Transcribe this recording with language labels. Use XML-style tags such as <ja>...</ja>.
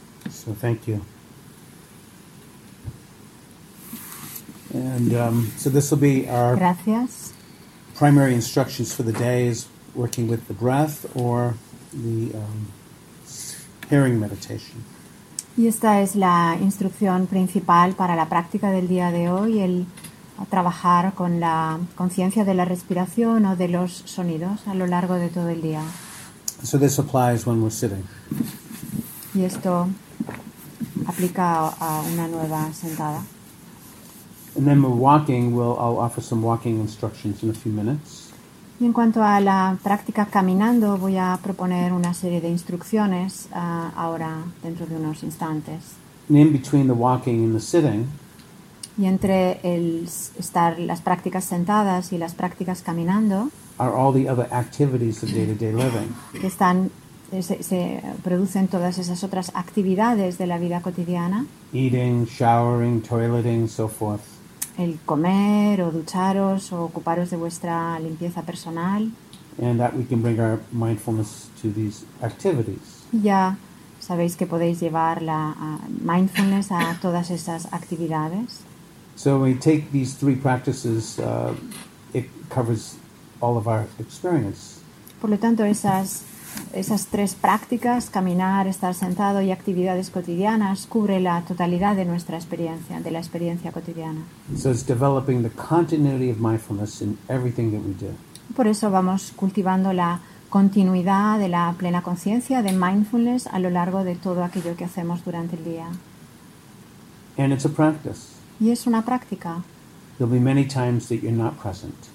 <en>So thank you. And so this will be our</en> <es>Gracias.</es> <en>Primary instructions for the day is working with the breath or the hearing meditation.</en> <es>Y esta es la instrucción principal para la práctica del día de hoy, el trabajar con la conciencia de la respiración o de los sonidos a lo largo de todo el día.</es> <en>So this applies when we're sitting.</en> <es>Y esto aplica a una nueva sentada.</es> <en>And then we're walking, I'll offer some walking instructions in a few minutes.</en> <es>Y en cuanto a la práctica caminando, voy a proponer una serie de instrucciones ahora, dentro de unos instantes.</es> <en>And in between the walking and the sitting,</en> <es>y entre el estar las prácticas sentadas y las prácticas caminando,</es> <en>are all the other activities of day-to-day living.</en> <es>Que están, se producen todas esas otras actividades de la vida cotidiana.</es> <en>Eating, showering, toileting, so forth.</en> <es>El comer o ducharos o ocuparos de vuestra limpieza personal.</es> <en>And that we can bring our mindfulness to these activities.</en> <es>Ya sabéis que podéis llevar la mindfulness a todas esas actividades.</es> <en>So when we take these three practices, it covers all of our experience.</en> <es>Por lo tanto, esas tres prácticas, caminar, estar sentado y actividades cotidianas, cubre la totalidad de nuestra experiencia, de la experiencia cotidiana.</es> <en>So it's developing the continuity of mindfulness in everything that we do.</en> <es>Por eso vamos cultivando la continuidad de la plena conciencia, de mindfulness, a lo largo de todo aquello que hacemos durante el día.</es> <en>And it's a practice.</en> <es>Y es una práctica.</es> <en>There'll be many times that you're not present.</en>